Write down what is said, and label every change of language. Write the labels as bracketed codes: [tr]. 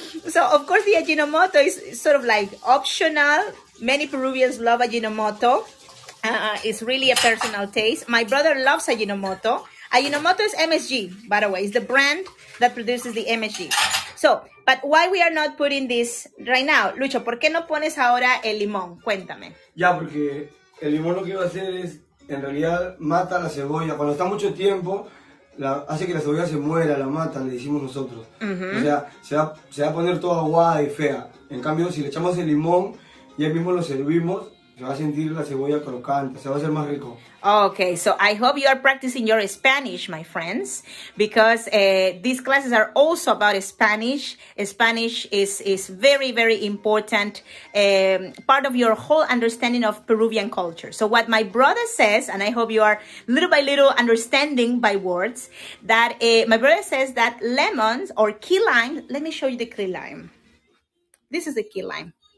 [en] So, of course, the Ayinomoto is sort of like optional. Many Peruvians love Ayinomoto. It's really a personal taste. My brother loves Ayinomoto. Ayinomoto is MSG, by the way. It's the brand that produces the MSG. So, but why we are not putting this right now? [es] Lucho, ¿por qué no pones ahora el limón? Cuéntame. Ya, porque el limón lo que iba a hacer es, en realidad, mata la cebolla. Cuando está mucho tiempo, hace que la cebolla se muera, la mata, le decimos nosotros. Uh-huh. O sea, se va a poner toda aguada y fea. En cambio, si le echamos el limón y ahí mismo lo servimos, se va a sentir la cebolla crocante, se va a hacer más rico. [en] Okay, so I hope you are practicing your Spanish, my friends, because these classes are also about Spanish. Spanish is very, very important, part of your whole understanding of Peruvian culture. So what my brother says, and I hope you are little by little understanding by words, that my brother says that lemons or key lime, let me show you the key lime. This is the key lime.